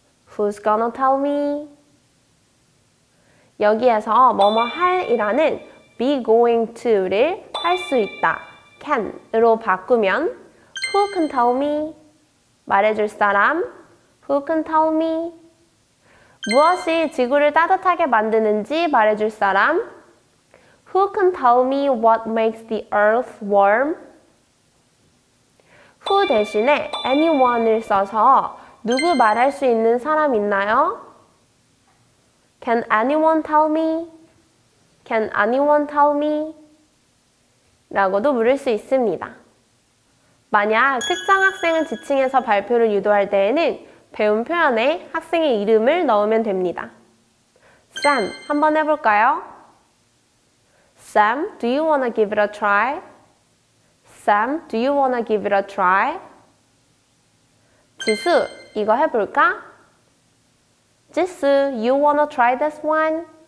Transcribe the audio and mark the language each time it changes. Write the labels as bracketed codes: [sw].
[en] Who's gonna tell me? [ko] 여기에서 뭐뭐 할이라는 be going to를 할 수 있다, can으로 바꾸면 [en] Who can tell me? [ko] 말해줄 사람? [en] Who can tell me? [ko] 무엇이 지구를 따뜻하게 만드는지 말해줄 사람? [en] Who can tell me what makes the earth warm? [ko] Who 대신에 anyone을 써서 누구 말할 수 있는 사람 있나요? [en] Can anyone tell me? Can anyone tell me? [ko] 라고도 물을 수 있습니다. 만약 특정 학생을 지칭해서 발표를 유도할 때에는 배운 표현에 학생의 이름을 넣으면 됩니다. Sam, 한번 해볼까요? [en] Sam, do you wanna give it a try? Sam, do you wanna give it a try? 지수, [ko] 이거 해볼까? [en] 지수, you wanna try this one?